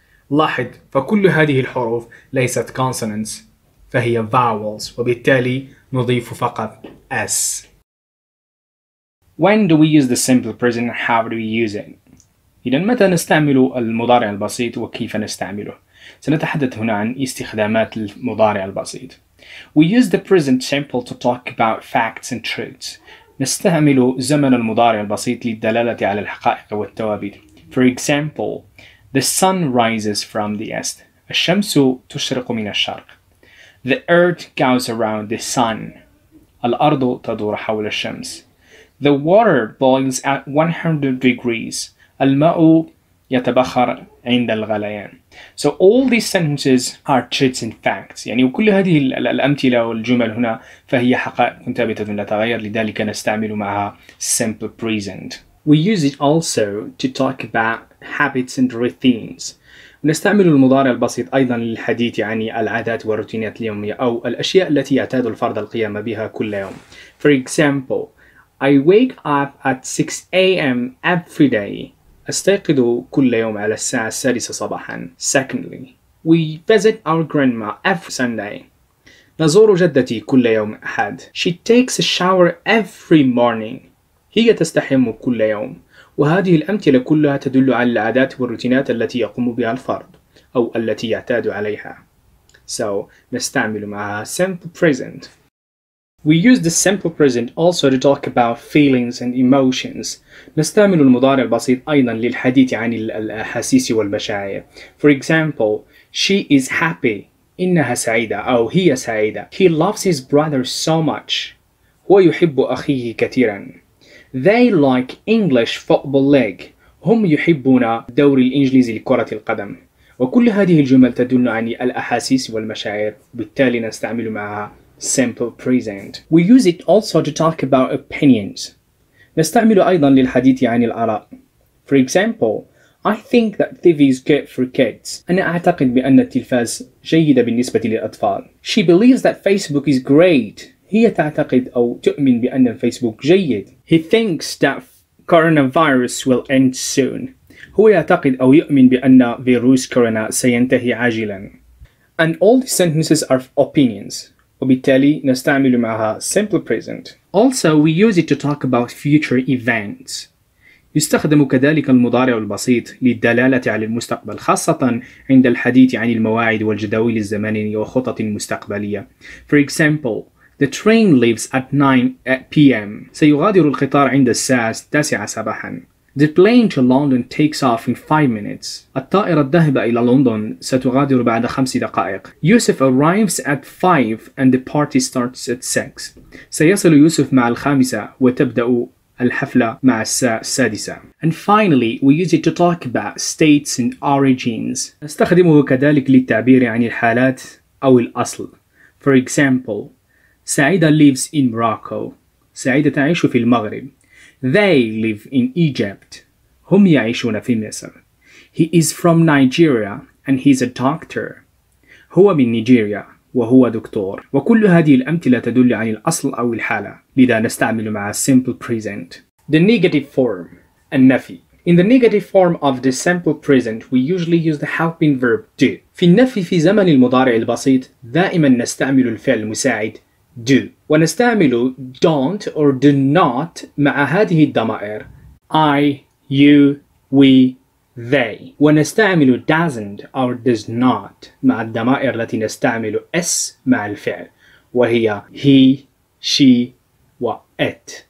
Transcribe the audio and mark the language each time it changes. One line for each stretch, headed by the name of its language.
Arabic: لاحظ فكل هذه الحروف ليست consonants فهي vowels وبالتالي نضيف فقط s.
English: When do we use the simple present? How do we use it?
Arabic: اذا متى نستعمل المضارع البسيط وكيف نستعمله؟ سنتحدث هنا عن استخدامات المضارع البسيط.
English: We use the present simple to talk about facts and truths.
Arabic: نستعمل زمن المضارع البسيط للدلالة على الحقائق والثوابت.
English: For example, the sun rises from the east.
Arabic: الشمس تشرق من الشرق.
English: The earth goes around the sun.
Arabic: الأرض تدور حول الشمس.
English: The water boils at 100 degrees.
Arabic: الماء يتبخر عند الغليان.
English: So all these sentences are truths and facts.
Arabic: يعني وكل هذه الأمثلة والجمل هنا فهي حقائق ثابتة لا تغير لذلك نستعمل معها simple present.
English: We use it also to talk about habits and routines.
Arabic: نستعمل المضارع البسيط أيضا للحديث عن العادات والروتينات اليومية أو الأشياء التي يعتاد الفرد القيام بها كل يوم.
English: For example, I wake up at 6 a.m. every day.
Arabic: أستيقظ كل يوم على الساعة السادسة صباحا.
English: Secondly, we visit our grandma every Sunday.
Arabic: نزور جدتي كل يوم أحد.
English: She takes a shower every morning.
Arabic: هي تستحم كل يوم. وهذه الأمثلة كلها تدل على العادات والروتينات التي يقوم بها الفرد أو التي يعتاد عليها.
English: So,
Arabic: نستعمل معها
English: simple present. We use the simple present also to talk about feelings and emotions.
Arabic: نستعمل المضارع البسيط أيضا للحديث عن الأحاسيس والمشاعر.
English: For example, she is happy.
Arabic: إنها سعيدة أو هي سعيدة.
English: He loves his brother so much.
Arabic: هو يحب أخيه كثيرا.
English: They like English football league.
Arabic: هم يحبون الدوري الإنجليزي لكرة القدم. وكل هذه الجمل تدل عن الأحاسيس والمشاعر بالتالي نستعمل معها simple present.
English: We use it also to talk about opinions.
Arabic: نستعمل أيضا للحديث عن الآراء.
English: For example, I think that TV is good for kids.
Arabic: أنا أعتقد بأن التلفاز جيدة بالنسبة للأطفال.
English: She believes that Facebook is great.
Arabic: هي تعتقد أو تؤمن بأن فيسبوك جيد.
English: He thinks that coronavirus will end soon.
Arabic: هو يعتقد أو يؤمن بأن فيروس كورونا سينتهي عاجلا.
English: And all the sentences are opinions.
Arabic: وبالتالي نستعمل معها simple present.
English: Also, we use it to talk about future events.
Arabic: يستخدم كذلك المضارع البسيط للدلالة على المستقبل، خاصة عند الحديث عن المواعيد والجداول الزمنية وخطط مستقبلية.
English: For example, the train leaves at 9 p.m.
Arabic: سيغادر القطار عند الساعة 9 صباحا.
English: The plane to London takes off in 5 minutes.
Arabic: الطائرة الذاهبة إلى لندن ستغادر بعد 5 دقائق.
English: Yusuf arrives at 5 and the party starts at 6.
Arabic: سيصل يوسف مع الخامسة وتبدأ الحفلة مع الساعة السادسة.
English: And finally, we use it to talk about states and origins.
Arabic: نستخدمه كذلك للتعبير عن الحالات أو الأصل.
English: For example, سعيدة lives in Morocco.
Arabic: سعيدة تعيش في المغرب.
English: They live in Egypt.
Arabic: هم يعيشون في مصر.
English: He is from Nigeria and he's a doctor.
Arabic: هو من نيجيريا وهو دكتور. وكل هذه الأمثلة تدل عن الأصل أو الحالة، لذا نستعمل مع simple present.
English: The negative form. النفي. In the negative form of the simple present, we usually use the helping verb do.
Arabic: في النفي في زمن المضارع البسيط دائما نستعمل الفعل المساعد do، ونستعمل don't or do not مع هذه الضمائر I, you, we, they، ونستعمل doesn't or does not مع الضمائر التي نستعمل s مع الفعل وهي he, she و it.